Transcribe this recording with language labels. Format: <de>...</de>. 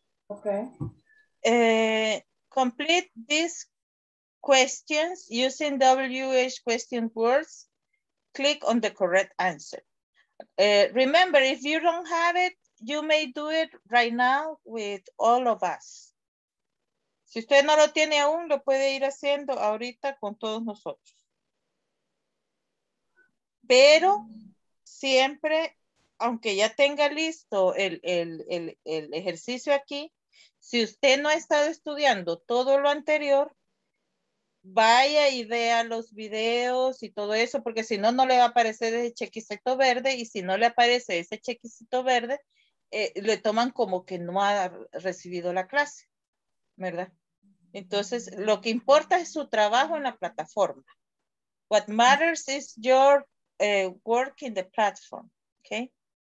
<en>Okay. Complete this questions using WH question words, click on the correct answer. Remember, if you don't have it, you may do it right now with all of us.</en> <es>Si usted no lo tiene aún, lo puede ir haciendo ahorita con todos nosotros. Pero siempre, aunque ya tenga listo el ejercicio aquí, si usted no ha estado estudiando todo lo anterior, vaya y vea los videos y todo eso, porque si no, no le va a aparecer ese chequecito verde. Y si no le aparece ese chequecito verde, le toman como que no ha recibido la clase, ¿verdad? Entonces, lo que importa es su trabajo en la plataforma.</es> <en>What matters is your work in the platform, okay?</en>